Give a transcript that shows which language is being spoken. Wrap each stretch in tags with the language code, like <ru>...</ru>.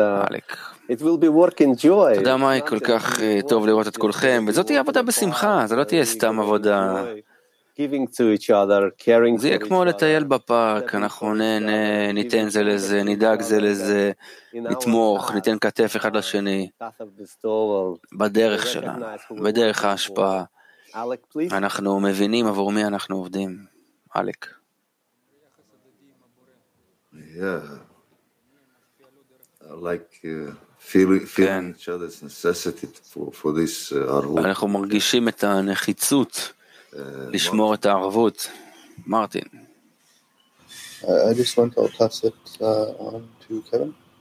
<en>מייק, it will be work in joy.</en> <he>תודה מייק, כל כך טוב לראות את כולכם, וזאת תהיה עבודה בשמחה, זה לא תהיה סתם עבודה</he> <en>giving to each other, caring</en> <he>זה יהיה כמו לטייל בפארק, אנחנו ניתן זה לזה, נדאג זה לזה, נתמוך, ניתן כתף אחד לשני, בדרך שלנו, בדרך ההשפעה. אנחנו מבינים עבור מי אנחנו עובדים. אלק. אנחנו מרגישים את הנחיצות לשמור את הערבות. מרטין.</he> <en>I just want to pass it on to Kevin.</en>